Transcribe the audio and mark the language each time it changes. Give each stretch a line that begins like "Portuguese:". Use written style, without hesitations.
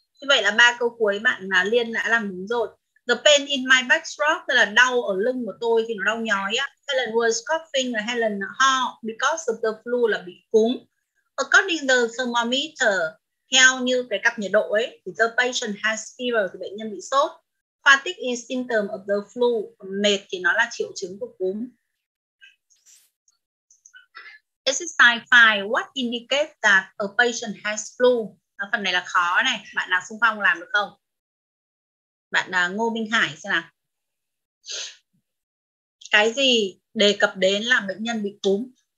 Vietnamese: Như vậy là ba câu cuối bạn Liên đã làm đúng rồi.
English: The pain in my back stroke,
Vietnamese: tức là đau ở lưng của tôi thì nó đau nhói á.
English: Helen was coughing, Helen ho because of the flu
Vietnamese: là bị cúm.
English: According to the thermometer,
Vietnamese: theo như cái cặp nhiệt độ ấy, thì
English: the patient has fever,
Vietnamese: thì bệnh nhân bị sốt.
English: Fatigue is symptom of the flu,
Vietnamese: mệt thì nó là triệu chứng của cúm.
English: Exercise 5, what indicates that a patient has flu?
Vietnamese: Phần này là khó này, bạn nào xung phong làm được không? Bạn Ngô Minh Hải xem nào. Cái gì đề cập đến là bệnh nhân bị cúm?